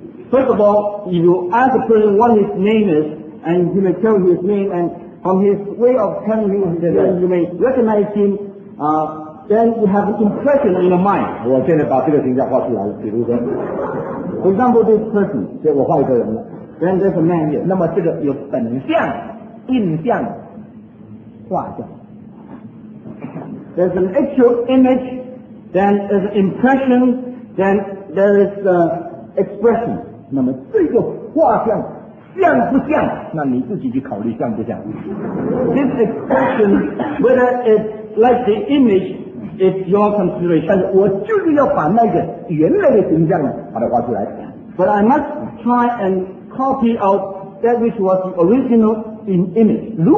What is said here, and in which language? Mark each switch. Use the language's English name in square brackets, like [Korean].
[English] First of all, if you ask a person what his name is, and he may tell you his name, and from his way of telling you his name, you may recognize him. Then you have an impression in your mind. [Chinese] 我现在把这个形象画出来了，比如说。 [English] For example, this person. [Chinese] 所以我画一个人了。 [English] Then there's a man here. [Chinese] 那么这个有本相、印象、画像。 [English] There's an actual image, then there's an impression, then there is an expression. [Chinese] 那么这个画像像不像？那你自己去考虑像不像。 [English] This expression, whether it's like the image, it's your consideration. [Chinese] 但是我就是要把那个原来的形象把它画出来。 [English] But I must try and copy out that which was the original in image.